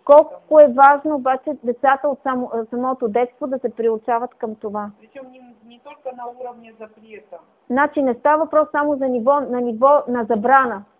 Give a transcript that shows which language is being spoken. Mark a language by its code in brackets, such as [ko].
[bg] Колко е важно обаче децата от самото детство да се приучават към това. [ru] Причем не только на уровне запрета. [bg] Значи не става въпрос само за ниво на забрана.